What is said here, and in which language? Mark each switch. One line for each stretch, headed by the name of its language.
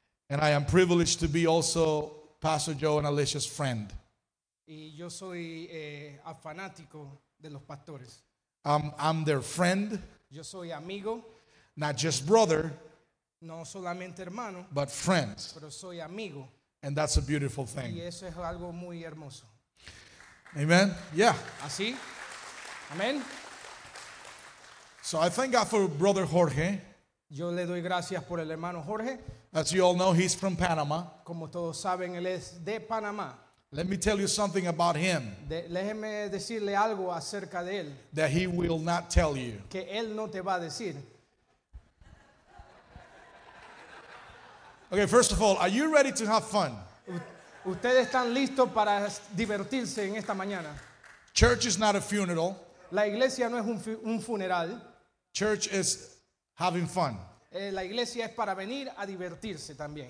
English: And I am privileged to be also Pastor Joe and Alicia's friend.
Spanish: Y yo soy a fanático de los pastores.
English: I'm their friend.
Spanish: Yo soy amigo.
English: Not just brother.
Spanish: No solamente hermano.
English: But friends.
Spanish: Pero soy amigo.
English: And that's a beautiful thing.
Spanish: Y eso es algo muy hermoso.
English: Amen. Yeah.
Spanish: Así. Amen.
English: So I thank God for Brother Jorge.
Spanish: Yo le doy gracias por el hermano Jorge.
English: As you all know, he's from Panama.
Spanish: Como todos saben, él es de Panamá.
English: Let me tell you something about him.
Spanish: Déjeme decirle algo acerca de él.
English: That he will not tell you.
Spanish: Que él no te va a decir.
English: Okay, first of all, are you ready to have fun?
Spanish: Ustedes están listos para divertirse en esta mañana.
English: Church is not a funeral.
Spanish: La iglesia no es un funeral.
English: Church is having fun.
Spanish: La iglesia es para venir a divertirse también.